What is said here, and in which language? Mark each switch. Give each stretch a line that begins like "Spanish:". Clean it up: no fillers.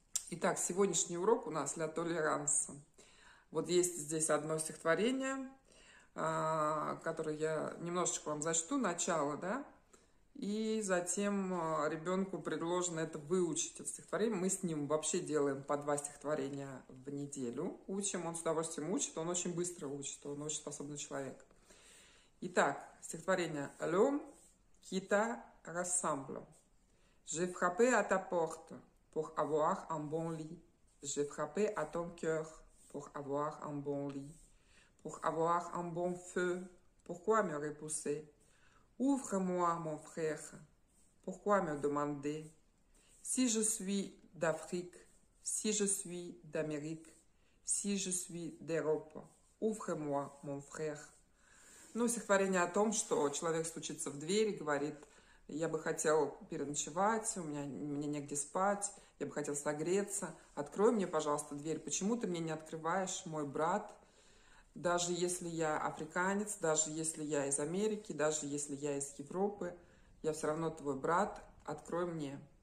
Russian: Итак, сегодняшний урок у нас «Ля толеранса». Вот есть здесь одно стихотворение, которое я немножечко вам зачту, начало, да, и затем ребенку предложено это выучить, это стихотворение. Мы с ним вообще делаем по два стихотворения в неделю, учим, он с удовольствием учит, он очень быстро учит, он очень способный человек. Итак, стихотворение
French: «L'homme qui t'a rassemblé. J'ai frappé à ta porte pour avoir un bon lit. J'ai frappé à ton cœur pour avoir un bon lit. Pour avoir un bon feu, pourquoi me repousser? Ouvre-moi, mon frère, pourquoi me demander? Si je suis d'Afrique, si je suis d'Amérique, si je suis d'Europe, ouvre-moi, mon frère.
Russian: Ну, стихотворение о том, что человек стучится в дверь и говорит, я бы хотел переночевать, мне негде спать, я бы хотел согреться, открой мне, пожалуйста, дверь, почему ты мне не открываешь, мой брат? Даже если я африканец, даже если я из Америки, даже если я из Европы, я все равно твой брат, открой мне.